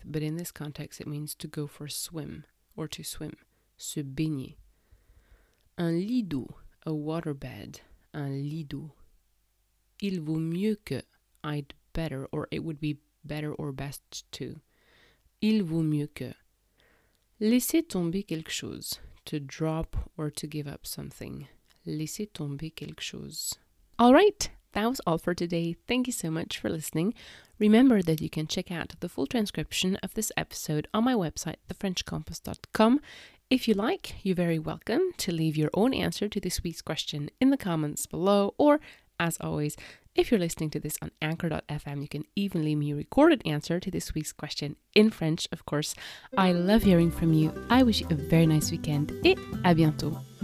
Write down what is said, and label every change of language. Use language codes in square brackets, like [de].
[en] But in this context it means to go for a swim. Or to swim. [fr] Se baigner. Un lit d'eau. [en] A waterbed. [fr] Un lit d'eau. Il vaut mieux que. [en] I'd better. Or it would be better or best to. [fr] Il vaut mieux que. Laisser tomber quelque chose. [en] To drop or to give up something. [fr] Laisser tomber quelque chose. [en] All right, that was all for today. Thank you so much for listening. Remember that you can check out the full transcription of this episode on my website, thefrenchcompass.com. If you like, you're very welcome to leave your own answer to this week's question in the comments below. Or, as always, if you're listening to this on anchor.fm, you can even leave me a recorded answer to this week's question in French, of course. I love hearing from you. I wish you a very nice weekend [fr] et à bientôt.